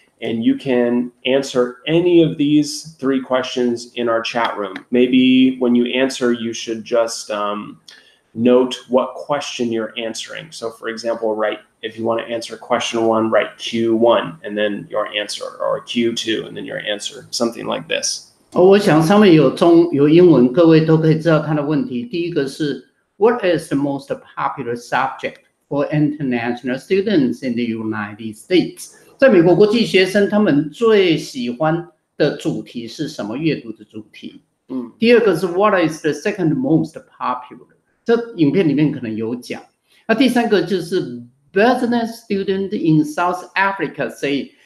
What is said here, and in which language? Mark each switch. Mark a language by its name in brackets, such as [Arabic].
[English] And you can answer any of these three questions in our chat room. Maybe when you answer, you should just note what question you're answering. So for example, write, if you want to answer question one, write Q1 and then your answer, or Q2 and then your answer, something like this. [Chinese] 我想上面有中有英文，各位都可以知道他的问题。第一个是 [English] What is the most popular subject for international students in the United States？ [Chinese] 在美国国际学生他们最喜欢的主题是什么？阅读的主题。第二个是 [English] What is the second most popular？ [Chinese] 这影片里面可能有讲。那第三个就是 [English] Business student in South Africa say。